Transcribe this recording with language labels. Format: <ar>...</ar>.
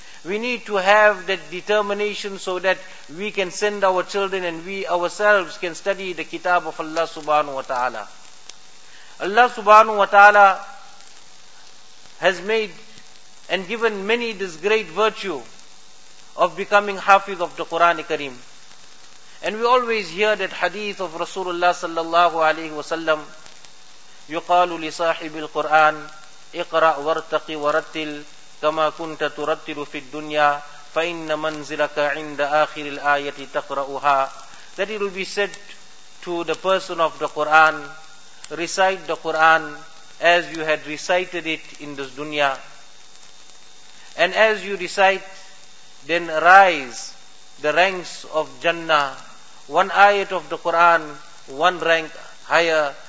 <en>We need to have that determination so that we can send our children and we ourselves can study the kitab of Allah subhanahu wa ta'ala. Allah subhanahu wa ta'ala has made and given many this great virtue of becoming hafiz of the Quran Kareem. And we always hear that hadith of Rasulullah sallallahu alayhi wa sallam,</en> <ar>يُقَالُ لِصَاحِبِ الْقُرْآنِ اِقْرَأْ وَارْتَقِ وَرَتِّلْ كَمَا كُنْتَ تُرَتِّلُ فِي الدُّنْيَا فَإِنَّ مَنْزِلَكَ عِنْدَ آخِرِ الْآيَةِ تَقْرَأُهَا.</ar> <en>That it will be said to the person of the Quran, recite the Quran as you had recited it in this dunya. And as you recite, then rise the ranks of Jannah. One ayat of the Quran, one rank higher.</en>